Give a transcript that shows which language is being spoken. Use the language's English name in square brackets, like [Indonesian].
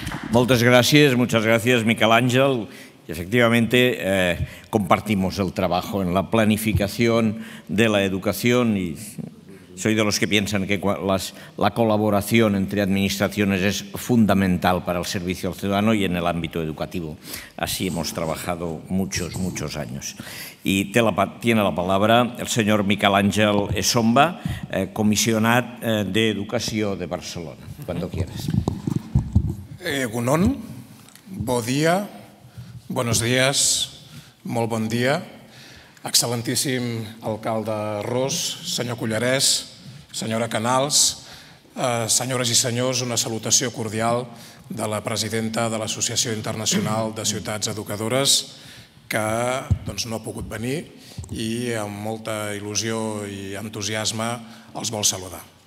[Catalan] Moltes gràcies, [Spanish] muchas gracias, [Catalan] Miquel Àngel. [Spanish] Efectivamente, compartimos el trabajo en la planificación de la educación y soy de los que piensan que la colaboración entre administraciones es fundamental para el servicio al ciudadano y en el ámbito educativo. Así hemos trabajado muchos, muchos años. Y tiene la palabra el señor Miquel Àngel Esomba, comisionat de Educación de Barcelona. Cuando quieras. [Basque] Egunon, [Catalan] bon dia. [Spanish] Buenos días, muy buen día, excelentísimo alcalde Ros, señor Cullerés, señora Canals, [Catalan] Senyores i senyors, una salutació cordial de la presidenta de l'Associació Internacional de Ciutats Educadores, que doncs, no ha pogut venir i amb molta il·lusió i entusiasme els vol saludar.